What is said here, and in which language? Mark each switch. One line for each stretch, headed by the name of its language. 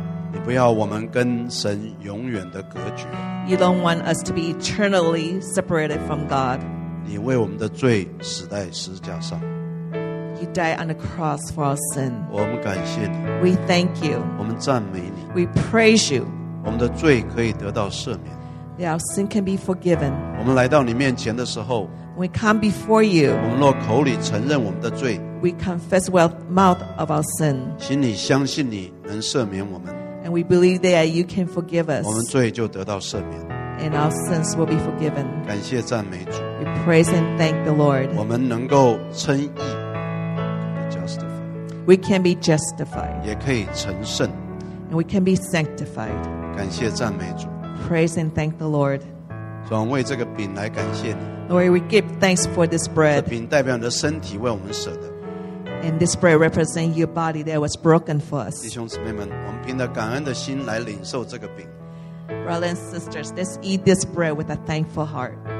Chinese: 你不要我们跟神永远的隔绝。
English: You don't want us to be eternally separated from God.
Chinese: 你为我们的罪死在十字架上。
English: You died on the cross for our sin.
Chinese: 我们感谢你。
English: We thank you.
Chinese: 我们赞美你。
English: We praise you.
Chinese: 我们的罪可以得到赦免。
English: Yeah, our sin can be forgiven.
Chinese: 我们来到你面前的时候。
English: We come before you.
Chinese: 我们若口里承认我们的罪。
English: We confess with our mouth of our sin.
Chinese: 请你相信你能赦免我们。
English: And we believe that you can forgive us.
Chinese: 我们罪就得到赦免。
English: And our sins will be forgiven.
Chinese: 感谢赞美主。
English: We praise and thank the Lord.
Chinese: 我们能够称义。Justified.
English: We can be justified.
Chinese: 也可以成圣。
English: And we can be sanctified.
Chinese: 感谢赞美主。
English: Praise and thank the Lord.
Chinese: 主，为这个饼来感谢你。
English: Lord, we give thanks for this bread.
Chinese: 这饼代表你的身体为我们舍的。
English: And this bread represents your body that was broken for us.
Chinese: 弟兄姊妹们，我们凭着感恩的心来领受这个饼。
English: Brothers and sisters, let's eat this bread with a thankful heart.